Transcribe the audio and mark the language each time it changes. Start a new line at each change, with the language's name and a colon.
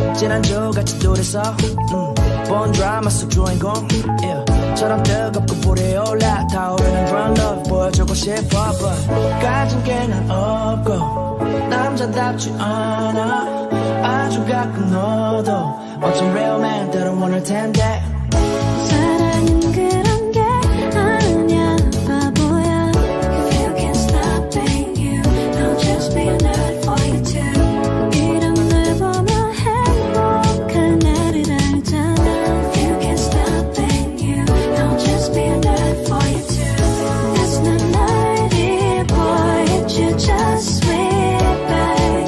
Korean: 지난주 같이 둘이서 본 드라마 속 주인공 저런 뜨겁고 불에 올라 타오르는 그런 love 보여주고 싶어 but 가진 게 난 없고 남자답지 않아. 아주 가끔 너도 어쩜
English: real man
Korean: 때론 모를 텐데. 사랑은 그런 게 아니야 바보야.
English: If you can't stop being you I'll just be a nerd for you too.
Korean: 이런 날 보면 행복한 날을 알잖아.
English: If you can't stop being you I'll just be a nerd for you too. That's not my dear boy it's you just sweet babe.